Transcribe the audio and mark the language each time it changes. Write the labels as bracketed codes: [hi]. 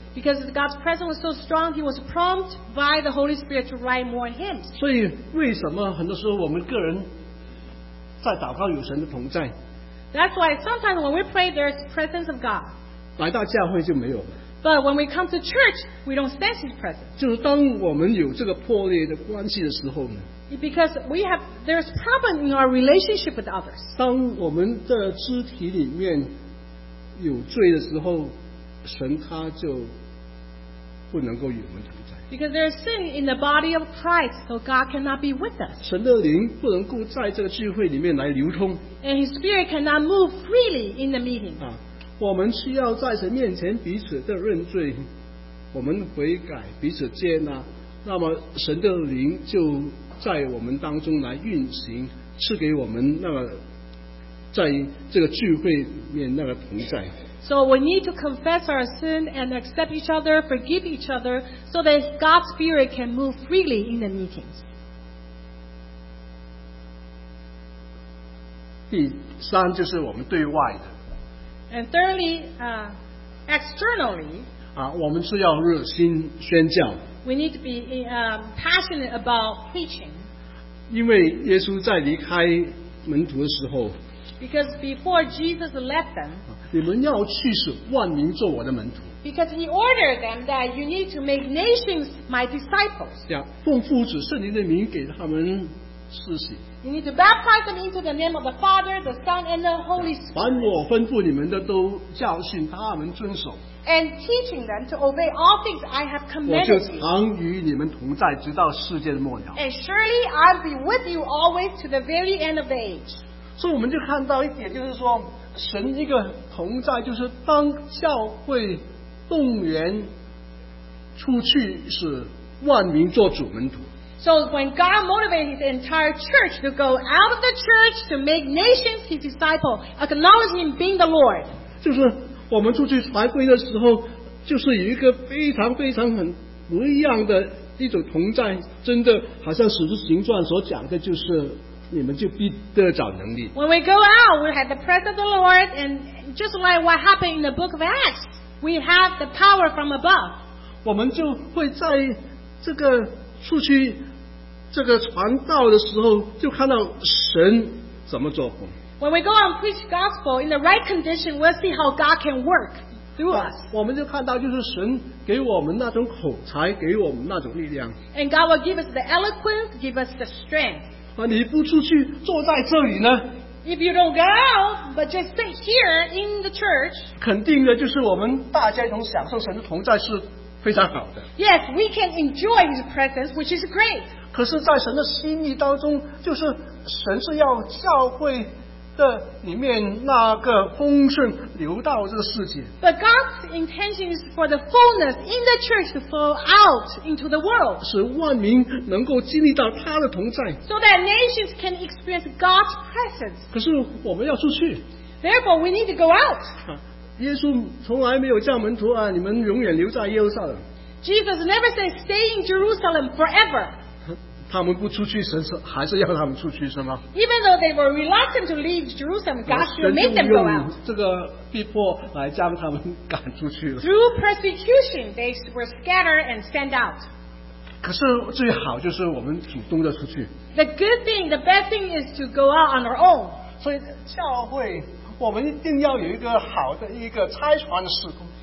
[en] Because God's presence was so strong, he was prompted by the Holy Spirit to write more hymns. [zh] 所以为什么很多时候我们个人在祷告有神的同在？ [en] That's why sometimes when we pray, there's presence of God. [zh] 来到教会就没有。 [en] But when we come to church, we don't sense his presence. [zh] 就是当我们有这个破裂的关系的时候呢？ [en] Because we have there's problem in our relationship with others. [zh] 当我们的肢体里面有罪的时候，神他就不能够与我们同在。 [en] Because there's sin in the body of Christ, so God cannot be with us. [zh] 神的灵不能够在这个聚会里面来流通。 [en] And His Spirit cannot move freely in the meeting. [zh] 啊，我们需要在神面前彼此的认罪，我们悔改，彼此接纳，那么神的灵就在我们当中来运行，赐给我们那个在这个聚会里面那个同在。 [en] So we need to confess our sin and accept each other, forgive each other, so that God's Spirit can move freely in the meetings. [zh] 第三就是我们对外的。 [en] And thirdly, externally, [zh] 啊，我们是要热心宣教。 [en] We need to be passionate about preaching. [zh] 因为耶稣在离开门徒的时候。 [en] Because before Jesus left them, [zh] 你们要去使万民做我的门徒。 [en] Because he ordered them that you need to make nations my disciples. [zh] 奉父子圣灵的名给他们施洗。 [en] You need to baptize them into the name of the Father, the Son, and the Holy Spirit. [zh] 凡我吩咐你们的都教训他们遵守。 [en] And teaching them to obey all things I have commanded you. [zh] 我就常与你们同在，直到世界的末了。 [en] And surely I'll be with you always to the very end of the age. [zh] 所以我们就看到一点，就是说，神一个同在，就是当教会动员出去，使万民做主门徒。 [en] So when God motivated his entire church to go out of the church to make nations his disciple, acknowledging him being the Lord. [zh] 就是我们出去传福音的时候，就是有一个非常非常很不一样的一种同在，真的好像使徒行传所讲的，就是你们就必得着能力。 [en] When we go out, we have the presence of the Lord, and just like what happened in the book of Acts, we have the power from above. [zh] 我们就会在这个出去这个传道的时候，就看到神怎么做工。 [en] When we go and preach gospel in the right condition, we'll see how God can work through us. [zh] 我们就看到，就是神给我们那种口才，给我们那种力量。 [en] And God will give us the eloquence, give us the strength. [zh] 啊，你不出去坐在这里呢？ [en] If you don't go out, but just sit here in the church, [zh] 肯定的就是我们大家一同享受神的同在是非常好的。 [en] Yes, we can enjoy His presence, which is great. [zh] 可是，在神的心意当中，就是神是要教会里面那个丰盛流到这个世界。 [en] But God's intention is for the fullness in the church to flow out into the world. [zh] 使万民能够经历到他的同在。 [en] So that nations can experience God's presence. [zh] 可是我们要出去。 [en] Therefore, we need to go out. [zh] 耶稣从来没有叫门徒啊，你们永远留在耶路撒冷。 [en] Jesus never said stay in Jerusalem forever. [zh] 他们不出去，神是还是要他们出去，是吗？ [en] Even though they were reluctant to leave Jerusalem, God still made them go out. [zh] 神就用这个逼迫来将他们赶出去了。 [en] Through persecution, they were scattered and sent out. [zh] 可是最好就是我们主动的出去。 [en] The good thing, the best thing is to go out on our own. [zh] 所以教会，我们一定要有一个好的一个差传的事工。